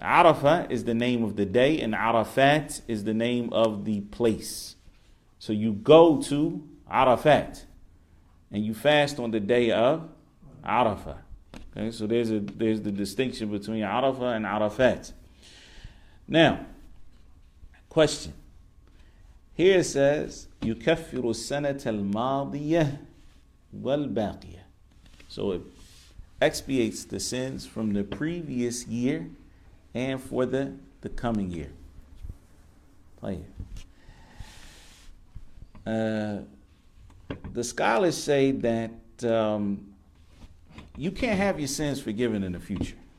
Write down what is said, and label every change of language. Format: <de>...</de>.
<en>Arafah is the name of the day, and Arafat is the name of the place. So you go to Arafat, and you fast on the day of Arafah. Okay, so there's the distinction between Arafah and Arafat. Now, question. Here it says,</en> <ar>يُكَفِّرُ السَّنَةَ الْمَاضِيَةِ وَالْبَاقِيَةِ.</ar> <en>So it expiates the sins from the previous year and for the coming year. The scholars say that you can't have your sins forgiven in the future.</en>